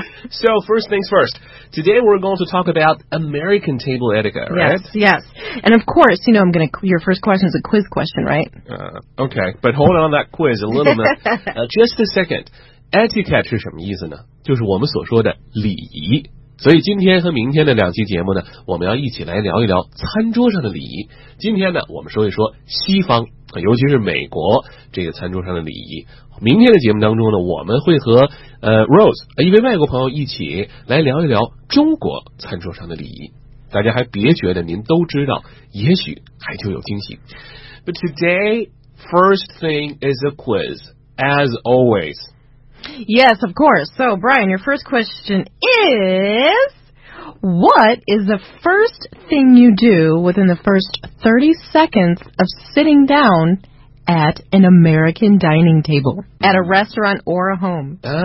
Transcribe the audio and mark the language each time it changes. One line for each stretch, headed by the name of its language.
English: So first things first, today we're going to talk about American table etiquette, right? Yes, yes. And of course, you know, your first question is a quiz question, right? Okay, but hold on that quiz a little bit. Just a second.
Chinese: Etiquette 是什么意思呢？就是我们所说的礼仪。所以今天和明天的两期节目呢，我们要一起来聊一聊餐桌上的礼仪。今天呢，我们说一说西方，尤其是美国这个餐桌上的礼仪。明天的节目当中呢，我们会和Rose 一位外国朋友一起来聊一聊中国餐桌上的礼仪。大家还别觉得您都知道，也许还就有惊喜。
English: But today, first thing is a quiz, as always. Yes, of course. So, Brian, your first question is, what is the first thing you do within the first 30 seconds of sitting down at an American dining table, at a restaurant or a home?